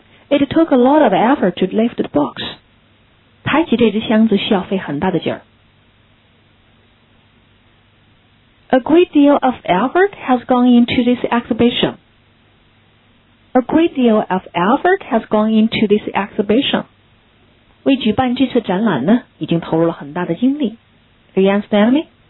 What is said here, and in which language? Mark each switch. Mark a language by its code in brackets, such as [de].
[en] It took a lot of effort to lift the box. [zh] 抬起这只箱子需要费很大的劲儿。 [en] A great deal of effort has gone into this exhibition. A great deal of effort has gone into this exhibition. [zh] 为举办这次展览呢，已经投入了很大的精力。 [en] Do you understand me?